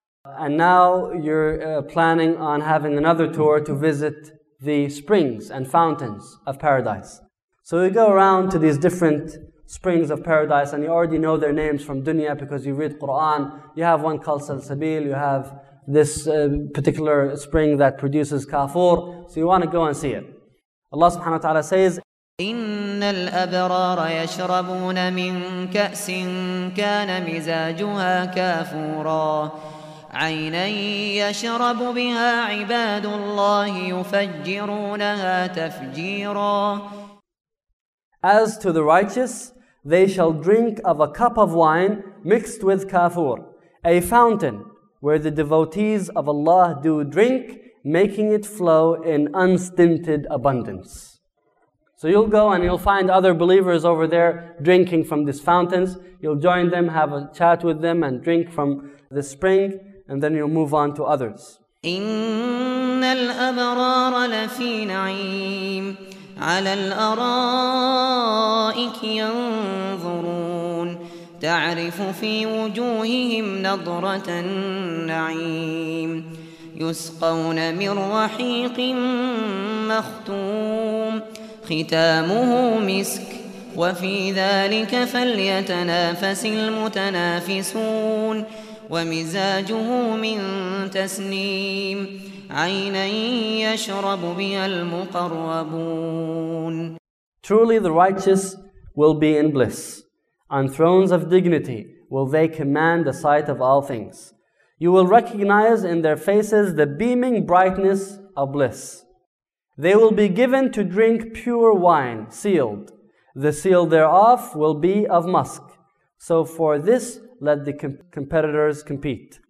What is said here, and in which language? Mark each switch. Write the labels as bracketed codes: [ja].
[en] And now you're planning on having another tour to visit the springs and fountains of paradise. So you go around to these different springs of paradise, and you already know their names from dunya because you read Quran. You have one called Salsabil, you have this particular spring that produces kafur. So you want to go and see it. Allah subhanahu wa ta'ala says, [ar] إن الأبرار يشربون من كأس كان مزاجها كافورا عينا يشرب بها عباد الله يفجرونها تفجيرا. [en] As to the righteous, they shall drink of a cup of wine mixed with kafur, a fountain where the devotees of Allah do drink, making it flow in unstinted abundance. So you'll go and you'll find other believers over there drinking from these fountains. You'll join them, have a chat with them, and drink from the spring, and then you'll move on to others. [ar] إِنَّ الْأَبْرَارَ لَفِي نَعِيمٍ عَلَى الْأَرَائِكِ يَنْظُرُونَ تَعْرِفُ فِي وُجُوهِهِمْ نَضْرَةَ النَّعِيمِ يُسْقَوْنَ مِنْ رَحِيقٍ مَخْتُومٍ ختامه مسك وفي ذلك فليتنافس المتنافسون ومزاجه من تسنيم عينا يشرب بها المقربون. [en] Truly the righteous will be in bliss. On thrones of dignity will they command the sight of all things. You will recognize in their faces the beaming brightness of bliss. They will be given to drink pure wine, sealed. The seal thereof will be of musk. So for this, let the competitors compete.